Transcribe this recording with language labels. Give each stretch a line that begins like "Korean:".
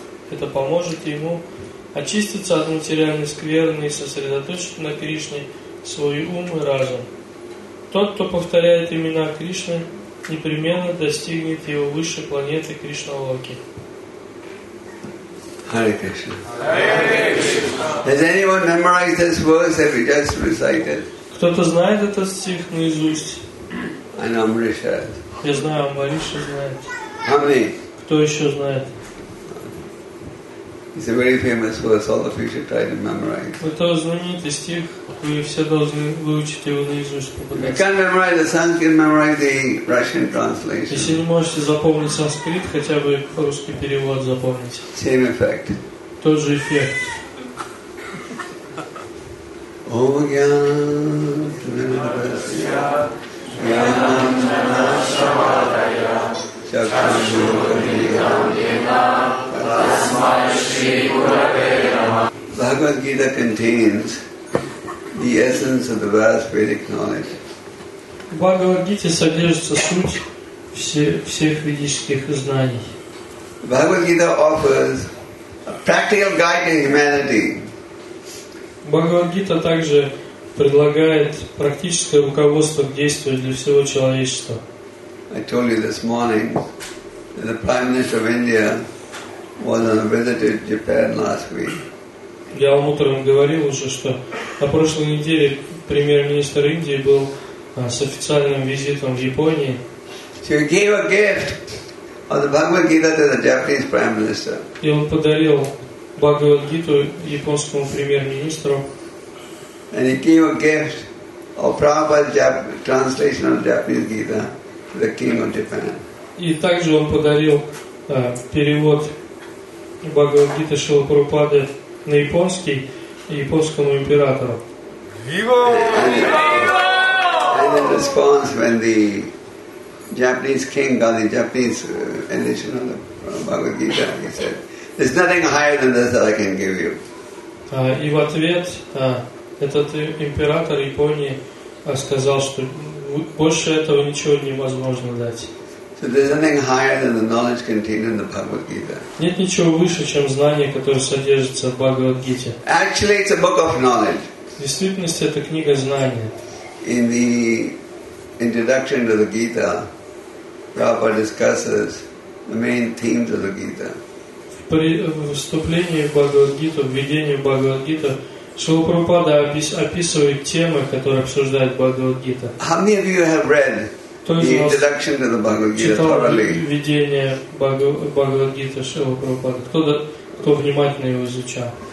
Russian: Это поможет ему очиститься от материальной скверны и сосредоточить на Кришне свой ум и разум. Тот, кто повторяет имена Кришны, непременно достигнет его высшей планеты Кришналоки.
English: Hare Krishna. Hare Krishna. Has anyone memorized this verse that we just recited?
Russian: Кто-то знает этот стих наизусть?
English: I know Amrisha.
Russian: Я знаю, Амриша знает.
English: How many?
Russian: Кто еще знает?
English: It's a very famous verse. All of you should try to memorize.
Russian: Это знаменитый стих. Вы все должны выучить его наизусть.
English: You can't memorize the Sanskrit, memorize the Russian translation.
Russian: Если не можете запомнить санскрит, хотя бы русский перевод запомните.
English: Same effect.
Russian: Тот же эффект. Ом гьян намасья гьян намасвадая.
English: Bhagavad Gita contains the essence of the vast Vedic knowledge.
Russian: В Бхагавад Гите содержится суть всех ведических знаний.
English: Bhagavad Gita offers a practical guide to humanity.
Russian: Bhagavad Gita также предлагает практическое руководство к действию для всего человечества.
English: I told you this morning that the Prime Minister of India was on a visit to Japan last week.
Russian: Я вам утром говорил уже, что на прошлой неделе премьер-министр Индии был с официальным визитом в Японии.
English: He gave a gift of the Bhagavad Gita to the Japanese Prime Minister.
Russian: И он подарил Бхагавад Гиту японскому премьер-министру.
English: And he gave a gift of Prabhupada's translation of Japanese Gita to the King of Japan.
Russian: И также он подарил перевод Бхагавад Гиты Шрилы Прабхупады на японский и японскому императору. Vivo!
English: And in response, when the Japanese king got the Japanese edition of the Bhagavad Gita, he said, "There's nothing higher than this that I can give you."
Russian: И в ответ этот император Японии сказал, что больше этого ничего невозможно дать.
English: So there's nothing higher than the knowledge contained in the Bhagavad Gita.
Russian: Нет ничего выше, чем знание, которое содержится в Бхагавад Гите.
English: Actually, it's a book of knowledge.
Russian: В действительности это книга знания.
English: In the introduction to the Gita, Prabhupada discusses the main themes of the Gita.
Russian: В вступлении в Бхагавад Гиту, введении в Бхагавад Гиту, Шрила Прабхупада описывает темы, которые обсуждает Бхагавад Гита.
English: How many of you have read the introduction to the Bhagavad Gita thoroughly?
Russian: Введение Бхагавад Гиты Шрилы Прабхупады. Кто внимательно его изучал?